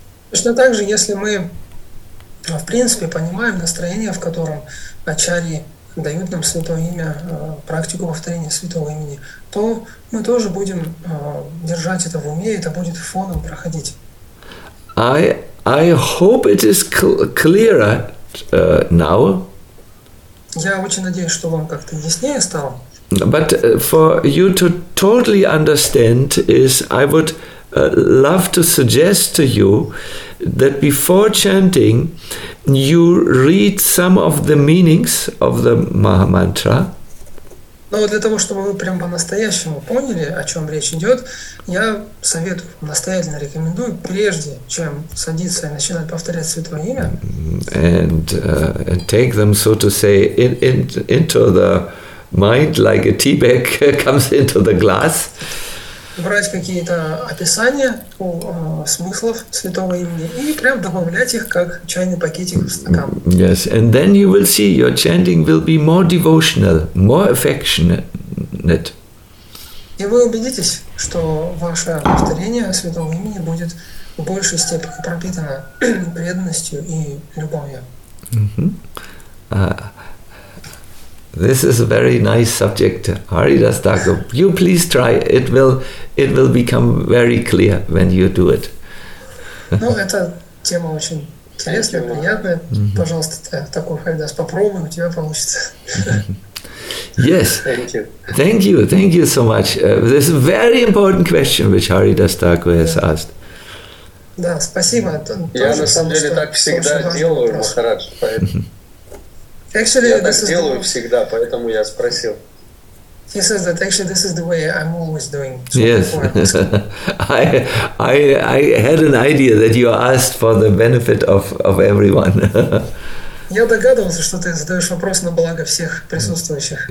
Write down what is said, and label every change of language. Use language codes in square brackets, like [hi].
[ru] Точно так же, если мы, в принципе, понимаем настроение, в котором ачарьи дают нам святое имя, практику повторения святого имени, то мы тоже будем держать это в уме, это будет фоном проходить. [en] I hope it is clearer. Now. [ru] Я очень надеюсь, что вам как-то яснее стало. [en] But for you to totally understand is, I would love to suggest to you that before chanting, you read some of the meanings of the Maha Mantra. [ru] Но для того, чтобы вы прям по-настоящему поняли, о чем речь идет, я советую, настоятельно рекомендую, прежде чем садиться и начинать повторять святое имя, [en] And take them, so to say, into the mind, like a tea bag comes into the glass. [ru] Брать какие-то описания у смыслов святого имени и прям добавлять их как чайный пакетик в стакан. [en] Yes, and then you will see your chanting will be more devotional, more affectionate. [ru] И вы убедитесь, что ваше повторение святого имени будет в большей степени пропитано преданностью и любовью. [en] This is a very nice subject, Haridas Thakur. You please try. It will become very clear when you do it. [ru] Ну, эта тема очень интересная, приятная. Mm-hmm. Пожалуйста, такой Харидас, попробуй, у тебя получится. [en] Yes. Thank you so much. This is a very important question which Haridas Thakur has asked. [ru] Да, спасибо. Я на самом деле так всегда делаю, Махарадж, поэтому. [en] Actually, [ru] я так делаю всегда, поэтому я спросил. [en] He says that actually this is the way I'm always doing. So yes. I had an idea that you asked for the benefit of everyone. [ru] Я догадывался, что ты задаешь вопрос на благо всех присутствующих.